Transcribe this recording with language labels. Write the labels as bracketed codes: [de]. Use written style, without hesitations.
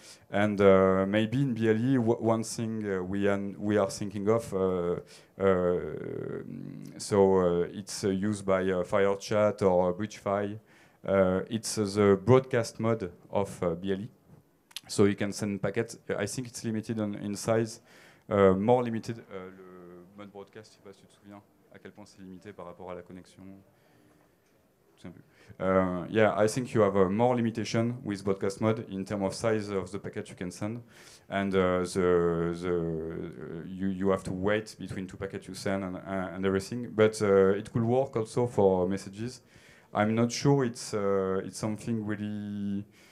[en] And maybe in BLE, one thing we are thinking of. It's used by FireChat or BridgeFi. It's the broadcast mode of BLE, so you can send packets. I think it's limited in size, more limited. [fr] Le mode broadcast, je sais pas si tu te souviens à quel point c'est limité par rapport à la connexion. [en] I think you have a more limitation with broadcast mode in terms of size of the packet you can send, and you have to wait between two packets you send and everything. But it could work also for messages. I'm not sure it's something really.